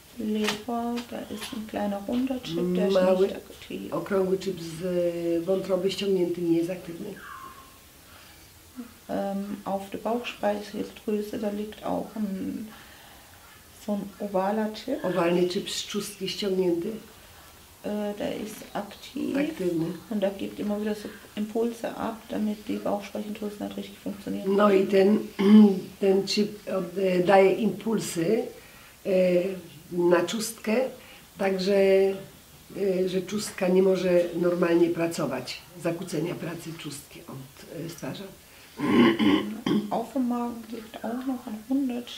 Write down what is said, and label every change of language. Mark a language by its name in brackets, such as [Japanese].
[German] Leber, da ist ein kleiner runder Chip, der ist [Polish] mały, [German] nicht aktiv. [Polish] Okrągły chip z wątroby ściągnięty, nie jest aktywny. [German] Auf der Bauchspeicheldrüse, da liegt auch ein, so ein ovaler Chip. [Polish] Ovalny chip z czustki ściągnięty. [German] Der ist aktiv und da gibt immer wieder so Impulse ab, damit die Bauchspeicheldrüse nicht richtig funktioniert. [Polish] No i ten chip daje impulsy na czustkę, także że czustka nie może normalnie pracować. Zakłócenia pracy czustki od stwarza. [German] Auf dem Magen liegt auch noch ein Hundert.